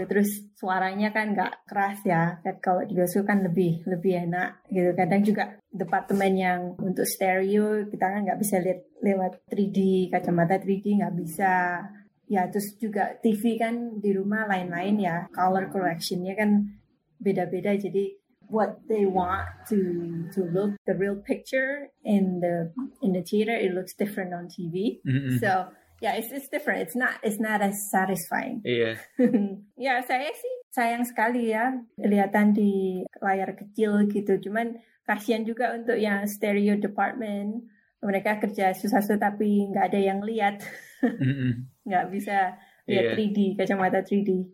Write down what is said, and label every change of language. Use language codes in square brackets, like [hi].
[id] Terus suaranya kan nggak keras ya. Dan kalau di bioskop kan lebih enak gitu. Kadang juga departemen yang untuk stereo, kita kan nggak bisa lihat lewat 3D, kacamata 3D nggak bisa. Ya, terus juga TV kan di rumah lain-lain ya. [en] Color correction-nya [id] kan beda-beda, jadi [en] what they want to look the real picture in the theater, it looks different on TV. So yeah, it's different. It's not as satisfying. Yeah. [id] Yeah, saya sih sayang sekali ya kelihatan di layar kecil gitu. Cuman kasihan juga untuk yang stereo department, mereka kerja susah-susah tapi nggak ada yang lihat. Nggak bisa lihat 3D, kacamata 3D.